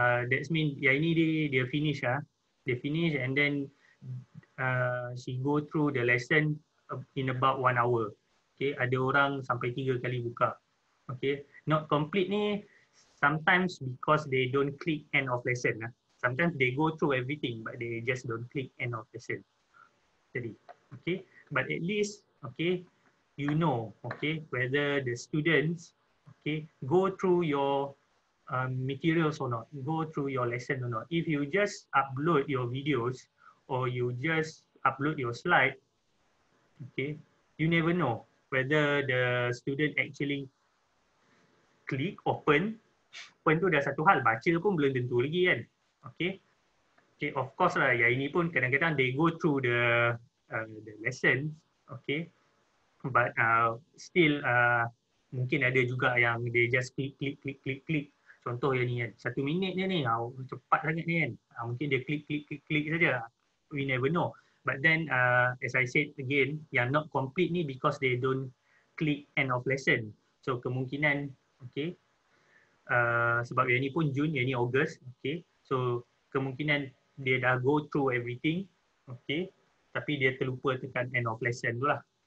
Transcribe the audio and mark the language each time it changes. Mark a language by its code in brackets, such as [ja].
[en] That's mean [ms] yang ini dia finish lah. Dia [en] finish and then she go through the lesson in about 1 hour. Okay. [ms] Ada orang sampai 3 kali buka. Okay. [en] Not complete ni sometimes because they don't click end of lesson lah. Sometimes they go through everything but they just don't click end of lesson. [ms] Jadi, [en] okay. But at least, okay, you know, okay, whether the students, okay, go through your materials or not, go through your lesson or not. If you just upload your videos or you just upload your slide, okay, you never know whether the student actually click, open. [ms] Open tu dah satu hal, baca pun belum tentu lagi kan. Okay. Okay, of course lah, yang ini pun kadang-kadang [en] they go through the lesson, [ms] okay. [en] But still [ms] mungkin ada juga yang [en] they just click. [ms] Contoh yang ni kan, 1 minit je ni, cepat sangat ni kan. Mungkin dia click saja. [en] We never know. But then as I said again, [ms] yang [en] not complete ni because they don't click end of lesson. [ms] So kemungkinan, okay, sebab yang ni pun June, yang ni August, okay. So kemungkinan dia dah [en] go through everything, [ms] okay, tapi dia terlupa tekan end of lesson tu lah.